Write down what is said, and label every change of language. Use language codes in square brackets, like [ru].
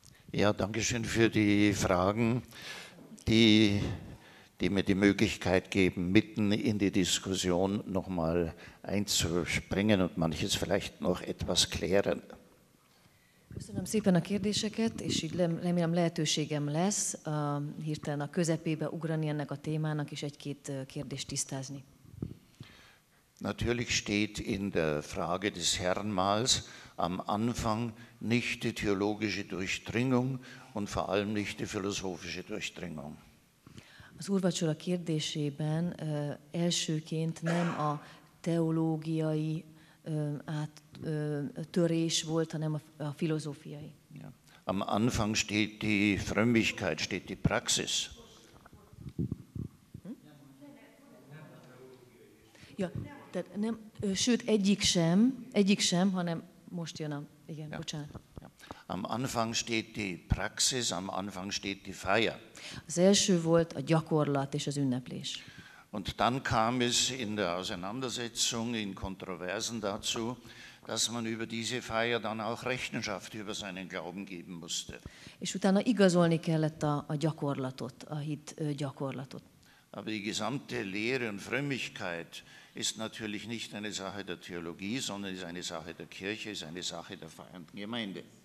[de] Ja, danke schön für die Fragen, die mir die Möglichkeit geben, mitten in die Diskussion nochmal einzuspringen und manches vielleicht noch etwas klären. [hu] Köszönöm szépen a kérdéseket, és így remélem lehetőségem lesz hirtelen a közepébe ugrani ennek a témának és egy-két kérdést tisztázni. [de] Natürlich steht in der Frage des Herrnmals am Anfang nicht die theologische Durchdringung und vor allem nicht die philosophische Durchdringung. [hu] Az úrvacsora kérdésében elsőként nem a teológiai áttörés volt, hanem a filozófiai. Ja. [de] Am Anfang steht die Frömmigkeit, steht die Praxis. [hu] Ja, tehát nem, sőt, egyik sem, hanem most jön a, igen, ja. Bocsánat. [de] Am Anfang steht die Praxis, am Anfang steht die Feier. [hu] Az első volt a gyakorlat és az ünneplés. [de] Und dann kam es in der Auseinandersetzung, in Kontroversen dazu, dass man über diese Feier dann auch Rechenschaft über seinen Glauben geben musste. [hu] És utána igazolni kellett a gyakorlatot, a hit gyakorlatot. [de] Aber die gesamte Lehre und Frömmigkeit ist natürlich nicht eine Sache der Theologie, sondern ist eine Sache der Kirche, ist eine Sache der feiernden Gemeinde.